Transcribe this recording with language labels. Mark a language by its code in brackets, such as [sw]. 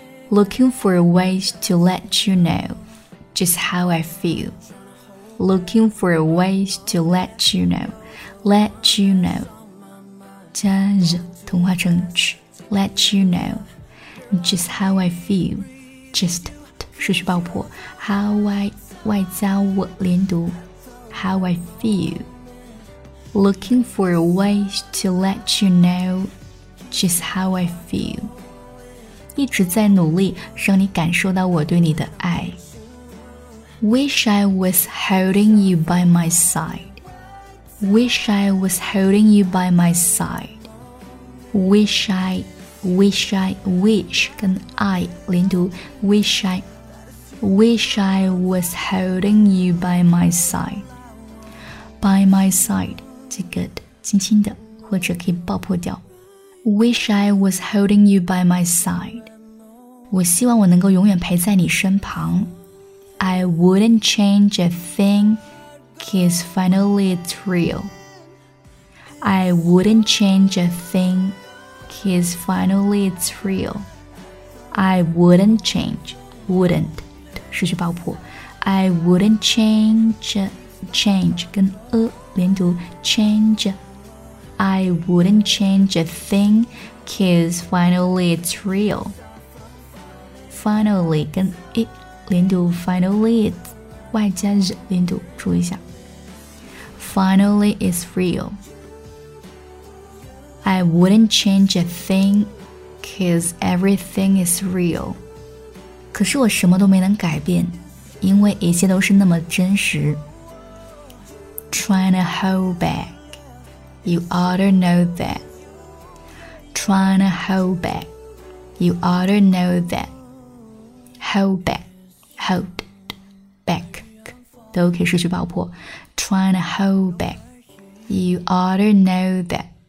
[en] Looking for ways to let you know just how I feelLooking for a ways to let you know, let you know, [zh] 加 z 同化成 ch, [en] let you know, just how I feel, just [zh] 顺序爆破 [en] how I [zh] 外加 w 连读 [en] how I feel. Looking for a ways to let you know, just how I feel. [zh] 一直在努力让你感受到我对你的爱。 [en] Wish I was holding you by my side. Wish I was holding you by my side. Wish I, wish I, wish [zh] 跟 [en] I 连读 Wish I, wish I was holding you by my side. By my side [zh] 这个轻轻的或者可以爆破掉 [en] Wish I was holding you by my side. [zh] 我希望我能够永远陪在你身旁。 [en] I wouldn't change a thing, cause finally it's real. I wouldn't change a thing, cause finally it's real. I wouldn't change, wouldn't, [zh] 失去爆破。 [en] I wouldn't change, change, [zh] 跟连读 [en] change. I wouldn't change a thing, cause finally it's real. Finally, [zh] 跟连读 [en] finally it's [zh] 外加 z 连读注意一下 [en] finally it's real. I wouldn't change a thing cause everything is real. [zh] 可是我什么都没能改变，因为一切都是那么真实。 [en] Trying to hold back, you ought to know that. Trying to hold back, you ought to know that. Hold backHold back [zh] 都可以失去爆破 [en] Trying to hold back, you ought to know that.